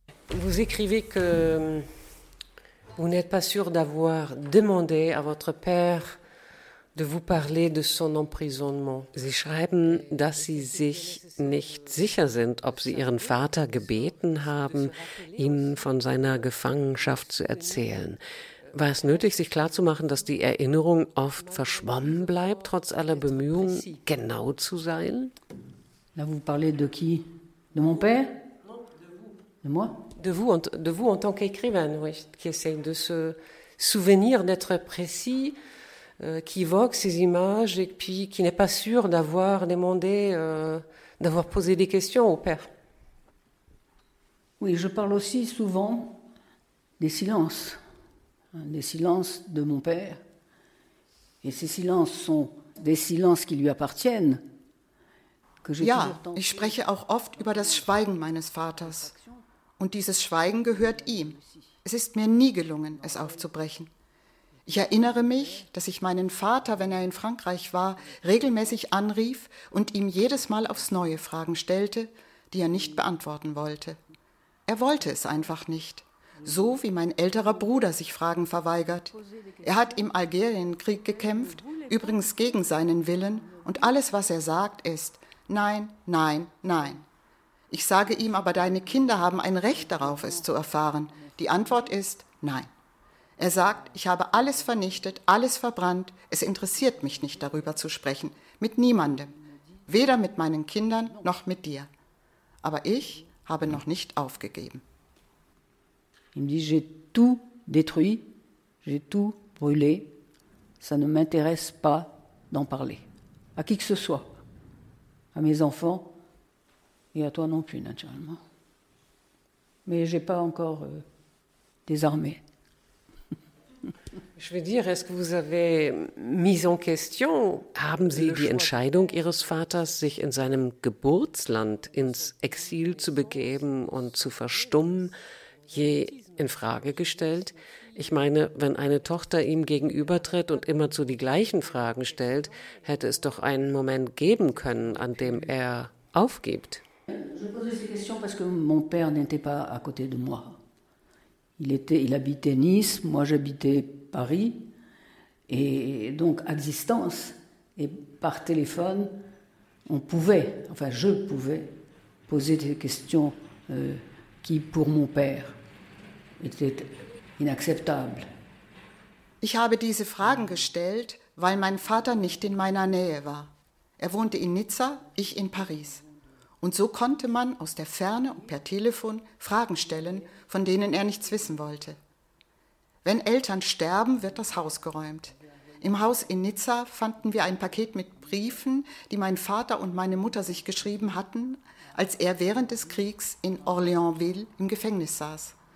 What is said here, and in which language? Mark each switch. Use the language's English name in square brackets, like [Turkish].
[French] Vous écrivez que vous n'êtes pas sûr d'avoir demandé à votre père de vous parler de son emprisonnement. [German] Sie schreiben, dass Sie sich nicht sicher sind, ob Sie Ihren Vater gebeten haben, ihm von seiner Gefangenschaft zu erzählen. War es nötig, sich klarzumachen, dass die Erinnerung oft verschwommen bleibt, trotz aller Bemühungen, genau zu sein? [French] Là, vous parlez de qui? De mon père? De moi? De vous en tant qu'écrivain, oui, qui essaye de se souvenir d'être précis, qui évoque ces images et puis qui n'est pas sûr d'avoir demandé, d'avoir posé des questions au père. Oui, je parle aussi souvent des silences, hein, des silences de mon père. Et ces silences sont des silences qui lui appartiennent. [German] Ja, ich spreche auch oft über das Schweigen meines Vaters. Und dieses Schweigen gehört ihm. Es ist mir nie gelungen, es aufzubrechen. Ich erinnere mich, dass ich meinen Vater, wenn er in Frankreich war, regelmäßig anrief und ihm jedes Mal aufs Neue Fragen stellte, die er nicht beantworten wollte. Er wollte es einfach nicht. So wie mein älterer Bruder sich Fragen verweigert. Er hat im Algerienkrieg gekämpft, übrigens gegen seinen Willen, und alles, was er sagt, ist nein, nein, nein. Ich sage ihm, aber deine Kinder haben ein Recht darauf, es zu erfahren. Die Antwort ist nein. Er sagt, ich habe alles vernichtet, alles verbrannt. Es interessiert mich nicht, darüber zu sprechen. Mit niemandem. Weder mit meinen Kindern noch mit dir. Aber ich habe noch nicht aufgegeben. [French] Il me dit, j'ai tout détruit, j'ai tout brûlé. Ça ne m'intéresse pas d'en parler. À qui que ce soit, à mes enfants. Et à toi non plus, naturellement. Mais je n'ai pas encore désarmé. Je veux dire, est-ce que vous avez mis en question? [German] Haben Sie die Entscheidung Ihres Vaters, sich in seinem Geburtsland ins Exil zu begeben und zu verstummen, je in Frage gestellt? Ich meine, wenn eine Tochter ihm gegenübertritt und immerzu die gleichen Fragen stellt, hätte es doch einen Moment geben können, an dem er aufgibt. [French] Je pose ces questions parce que mon père n'était pas à côté de moi. Il habitait Nice, moi j'habitais Paris, et donc à distance, et par téléphone, je pouvais poser des questions qui, pour mon père, étaient inacceptables. [German] Ich habe diese Fragen gestellt, weil mein Vater nicht in meiner Nähe war. Er wohnte in Nizza, ich in Paris. Und so konnte man aus der Ferne und per Telefon Fragen stellen, von denen er nichts wissen wollte. Wenn Eltern sterben, wird das Haus geräumt. Im Haus in Nizza fanden wir ein Paket mit Briefen, die mein Vater und meine Mutter sich geschrieben hatten, als er während des Kriegs in Orléansville im Gefängnis saß.